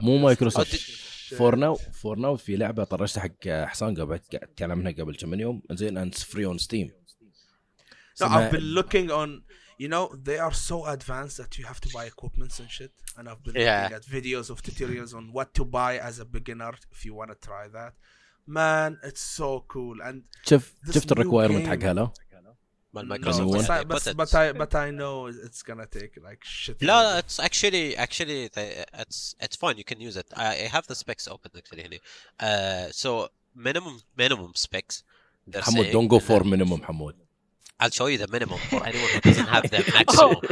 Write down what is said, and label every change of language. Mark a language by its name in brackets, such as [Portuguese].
[Arabic] مو مايكروسوفت for now في لعبة طرشتها حق حسان قبل تكلمنا قبل كم يوم زين and it's free on Steam. [English] No, I've been looking on. You know, they are so advanced that you have to buy equipments and shit. And I've been looking at videos of tutorials on what to buy as a beginner if you want to try that. Man, it's so cool. And [Arabic] شفت الريكويرمنت حق هالو مال مايكروسوفت [English] but I know it's gonna take like shit. لا it's actually it's fine. You can use it. I have the specs open actually. So minimum specs. حمود, don't go for minimum, حمود. I'll show you the minimum for anyone who doesn't have the maximum.